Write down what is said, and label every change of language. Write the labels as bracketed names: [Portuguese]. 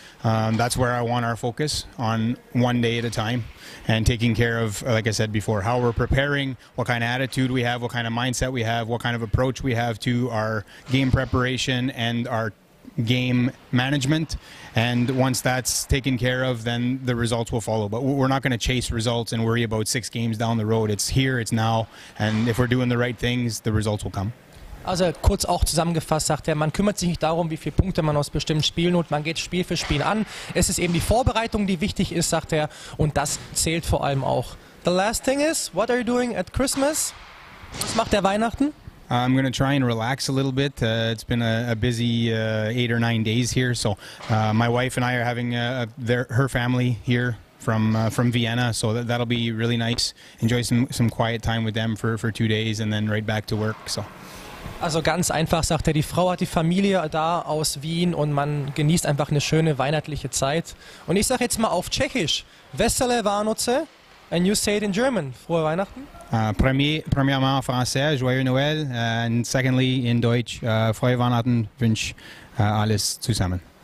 [English] That's where I want our focus, on one day at a time, and taking care of, like I said before, how we're preparing, what kind of attitude we have, what kind of mindset we have, what kind of approach we have to our game preparation and our game management. And once that's taken care of, then the results will follow. But we're not going to chase results and worry about 6 games down the road. It's here, it's now, and if we're doing the right things, the results will come. [German] Also kurz auch zusammengefasst sagt er, man kümmert sich nicht darum, wie viele Punkte man aus bestimmten Spielen holt, man geht Spiel für Spiel an. Es ist eben die Vorbereitung, die wichtig ist, sagt er, und das zählt vor allem auch. [English] The last thing is, what are you doing at Christmas? [German] Was macht der Weihnachten? [English] I'm going to try and relax a little bit. It's been a busy 8 or 9 days here, so my wife and I are having her family here from Vienna, so that'll be really nice. Enjoy some quiet time with them for 2 days and then right back to work, so. [German] Also ganz einfach, sagt er, die Frau hat die Familie da aus Wien und man genießt einfach eine schöne weihnachtliche Zeit. Und ich sage jetzt mal auf Tschechisch, [Czech] Veselé Vánoce, [English] and you say it in German, [German] frohe Weihnachten. [French] Premièrement en français, joyeux Noël, [English] and secondly in [German] Deutsch, frohe Weihnachten, wünsche alles zusammen.